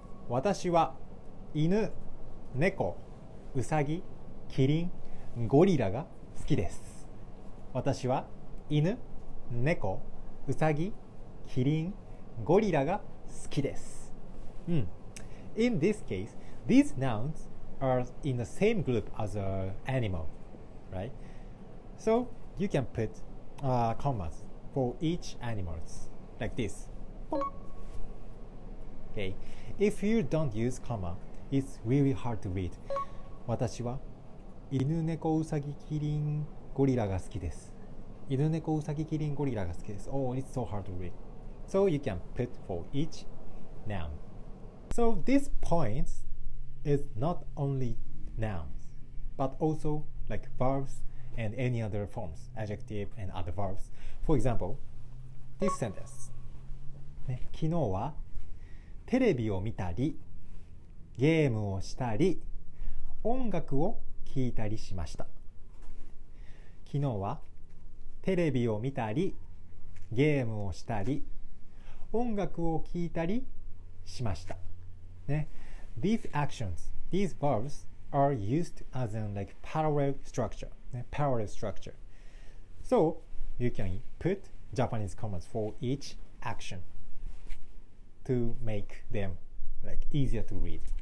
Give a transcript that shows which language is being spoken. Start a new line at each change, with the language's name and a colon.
Japanese: 私は犬、猫、ウサギ、キリン、ゴリラが好きです。私は犬、猫、ウサギ、キリン、ゴリラが好きです。
English: In this case, these nouns are in the same group as an animal. Right? So you can put commas for each animal like this. Okay. If you don't use comma, it's really hard to read.
Japanese: 私は犬猫ウサギキリンゴリラが好きです。犬猫ウサギキリンゴリラが好きです。
English: Oh, it's so hard to read. So you can put for each noun. So this point is not only nouns, but also. Like verbs and any other forms, adjective and other verbs. For example, this sentence.
Japanese: 昨日はテレビを見たり、ゲームをしたり、音楽を聞いたりしました。昨日はテレビを見たり、ゲームをしたり、音楽を聞いたりしました。
English: ね、these actions, these verbs are used as in like parallel structure. ね、parallel structure. So you can put Japanese commas for each action to make them like easier to read.